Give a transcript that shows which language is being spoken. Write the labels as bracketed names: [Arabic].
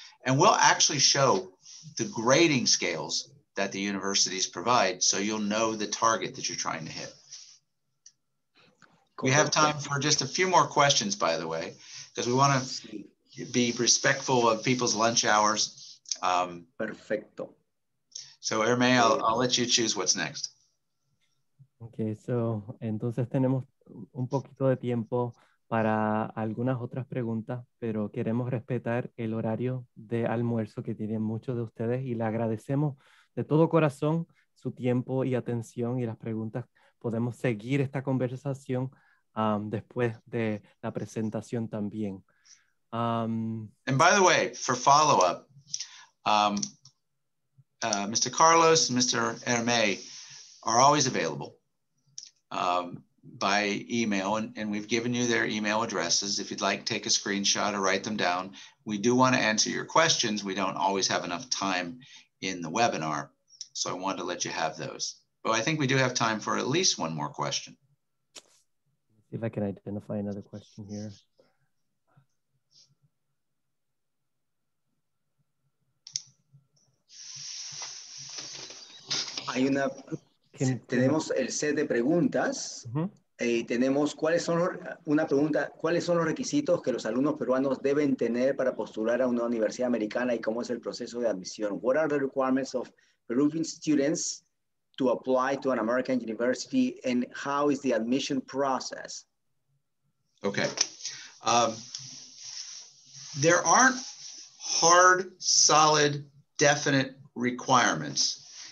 [English] And we'll actually show the grading scales that the universities provide, so you'll know the target that you're trying to hit. Cool. We have time for just a few more questions, by the way, because we want to be respectful of people's lunch hours. [Spanish] Perfecto. [English] So, Hermé, I'll let you choose what's next. [Spanish] Okay, so, entonces tenemos un poquito de tiempo para algunas otras preguntas, pero queremos respetar el horario de almuerzo que tienen muchos de ustedes y le agradecemos de todo corazón su tiempo y atención y las preguntas. Podemos seguir esta conversación después de la presentación también. [English] And by the way, for follow-up, Mr. Carlos and Mr. Hermé are always available by email, and we've given you their email addresses. If you'd like, take a screenshot or write them down. We do want to answer your questions. We don't always have enough time in the webinar, so I wanted to let you have those. But I think we do have time for at least one more question. Let's see if I can identify another question here. [Spanish] Hay una, tenemos el set de preguntas y tenemos cuáles son una pregunta, cuáles son los requisitos que los alumnos peruanos deben tener para postular a una universidad americana y cómo es el proceso de admisión. [English] What are the requirements of Peruvian students to apply to an American university and how is the admission process? Okay. There aren't hard, solid, definite requirements.